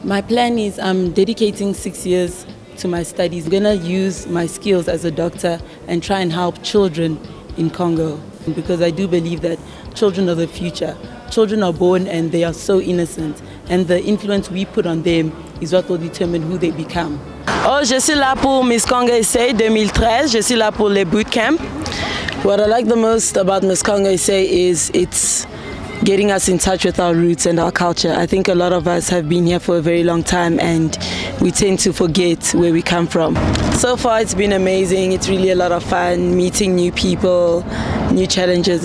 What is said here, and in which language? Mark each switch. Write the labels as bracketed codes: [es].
[en] My plan is I'm dedicating 6 years to my studies. I'm gonna use my skills as a doctor and try and help children in Congo, because I do believe that children are the future. Children are born and they are so innocent. And the influence we put on them is what will determine who they become. [fr] Oh, je suis là pour Miss Congo Essay 2013. Je suis là pour les bootcamps. [en] What I like the most about Miss Congo Essay is it's getting us in touch with our roots and our culture. I think a lot of us have been here for a very long time and we tend to forget where we come from. So far it's been amazing. It's really a lot of fun meeting new people, new challenges.